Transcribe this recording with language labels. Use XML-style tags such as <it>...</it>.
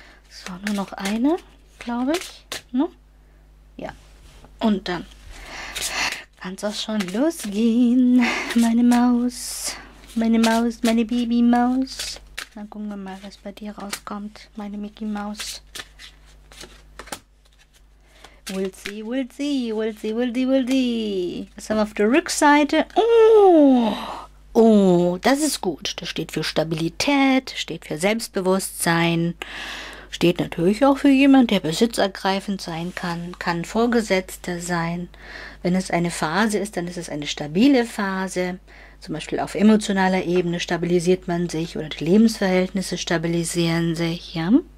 <de>So, nur noch eine, glaube ich. Ne? Ja. Und dann kann es auch schon losgehen. Meine Maus. Meine Maus, meine Babymaus. Dann gucken wir mal, was bei dir rauskommt, meine Mickey Maus.</de> <en>We'll see, we'll see, we'll see, we'll see, we'll see.</en> <de>Was haben wir auf der Rückseite? Oh, oh, das ist gut. Das steht für Stabilität, steht für Selbstbewusstsein, steht natürlich auch für jemanden, der besitzergreifend sein kann, kann Vorgesetzter sein. Wenn es eine Phase ist, dann ist es eine stabile Phase. Zum Beispiel auf emotionaler Ebene stabilisiert man sich oder die Lebensverhältnisse stabilisieren sich, ja.</de>